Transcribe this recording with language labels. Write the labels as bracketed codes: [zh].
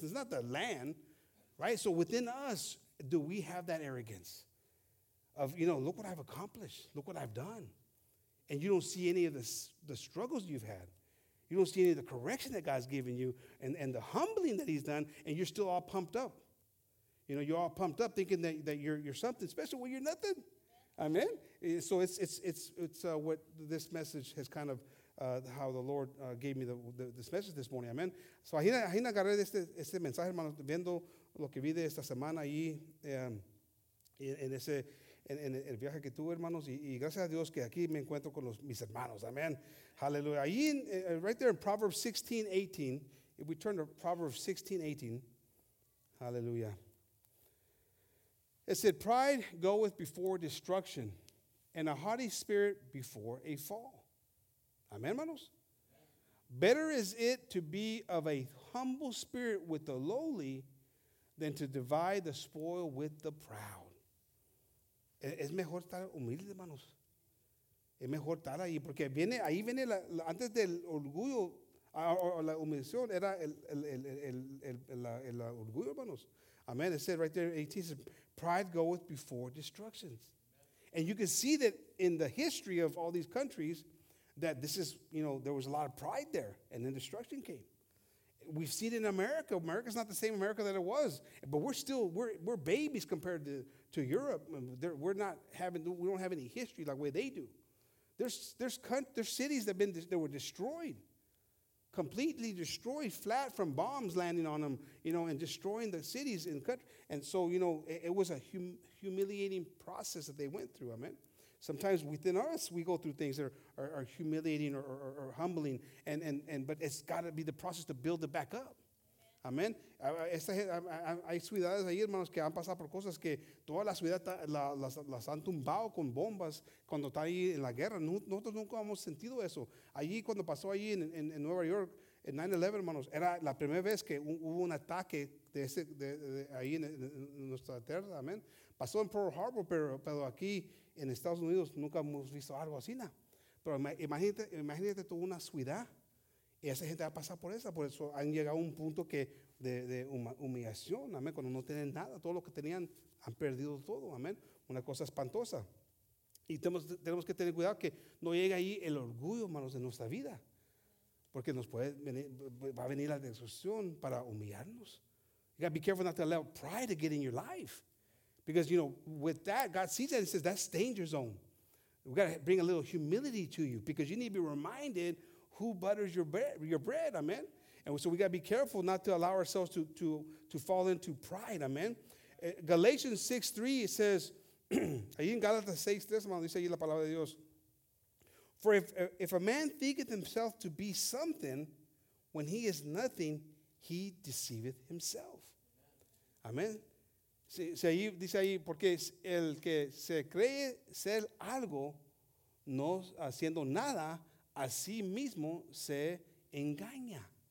[en] It's not the land, right? So within us, do we have that arrogance of, you know, look what I've accomplished, look what I've done, and you don't see any of the struggles you've had, you don't see any of the correction that God's given you, and the humbling that he's done, and you're still all pumped up, you know, you're all pumped up thinking that you're something special when you're nothing, amen? So it's what this message has kind of, how the Lord gave me this message this morning, amen? [es] So ahí agarré este mensaje, hermano, viendo lo que vi de esta semana ahí en ese en el viaje que tuve, hermanos, y gracias a Dios que aquí me encuentro con mis hermanos. [en] Amén. Hallelujah. Allí, right there in Proverbs 16, 18, if we turn to Proverbs 16, 18, hallelujah. It said, pride goeth before destruction, and a haughty spirit before a fall. [es] Amén, hermanos. [en] Better is it to be of a humble spirit with the lowly than to divide the spoil with the proud. [es] Es mejor estar humilde, hermanos. Es mejor estar ahí, porque viene, ahí viene la, antes del orgullo, o la humillación, era el orgullo, hermanos. [en] Amen. It said right there, 18, says, pride goeth before destruction. And you can see that in the history of all these countries, that this is, you know, there was a lot of pride there, and then destruction came. We see it in America. America's not the same America that it was, but we're still babies compared to Europe. We don't have any history like the way they do. There's cities that were destroyed, completely destroyed, flat from bombs landing on them, you know, and destroying the cities and country. And so, you know, it was a humiliating process that they went through. Amen. Sometimes within us, we go through things that are humiliating or humbling, but it's got to be the process to build it back up. Amen. [es] Hay ciudades ahí, hermanos, que han pasado por cosas que toda la ciudad las han tumbado con bombas cuando está ahí en la guerra. Nosotros nunca hemos sentido eso. Allí, cuando pasó allí en Nueva York, en 9/11, hermanos, era la primera vez que hubo un ataque de ahí en nuestra tierra. Amen. Pasó en Pearl Harbor, pero aquí en Estados Unidos nunca hemos visto algo así, ¿no? Pero imagínate toda una ciudad y esa gente va a pasar por eso han llegado a un punto que de humillación, amén, cuando no tienen nada, todo lo que tenían han perdido todo, amén, una cosa espantosa. Y tenemos que tener cuidado que no llegue ahí el orgullo, hermanos, de nuestra vida, porque nos puede venir, va a venir la destrucción para humillarnos. [en] You gotta be careful not to allow pride to get in your life. Because, you know, with that, God sees that and says, that's danger zone. We've got to bring a little humility to you because you need to be reminded who butters your bread, amen? And so we got to be careful not to allow ourselves to fall into pride, amen? Galatians 6:3, it says, [es] ahí en Galatas 6:3, hermano, dice ahí la palabra de Dios. [en] For if a man thinketh himself to be something, when he is nothing, he deceiveth himself. Amen? [es] Dice ahí, porque es el que se cree ser algo, no haciendo nada, a sí mismo se engaña.